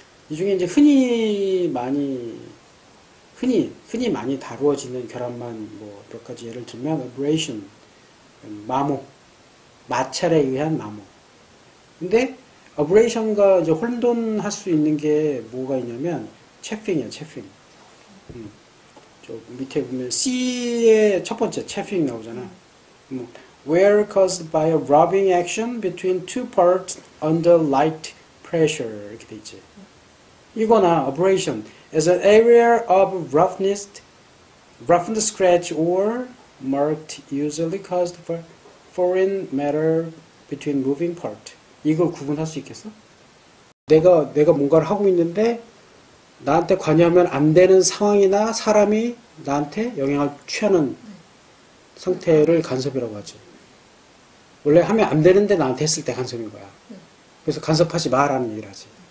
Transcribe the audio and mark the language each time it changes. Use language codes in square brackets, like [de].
[ko] 이 중에 이제 흔히 많이 흔히 많이 다루어지는 결함만 뭐몇 가지 예를 들면 ablation, 마모, 마찰에 의한 마모. 근데 ablation과 이제 혼돈할 수 있는 게 뭐가 있냐면 chafing이야, chafing. 저 밑에 보면 C의 첫 번째 chafing 나오잖아. [en] Wear caused by a rubbing action between two parts under light pressure [ko] 이렇게 돼 있지. [en] 이거나 abrasion as an area of roughened scratch or marked usually caused for foreign matter between moving part. [ko] 이걸 구분할 수 있겠어? 내가 뭔가를 하고 있는데 나한테 관여하면 안 되는 상황이나 사람이 나한테 영향을 취하는 상태를 간섭이라고 하지. 원래 하면 안 되는데 나한테 했을 때 간섭인 거야. 그래서 간섭하지 마라는 얘기를 하지.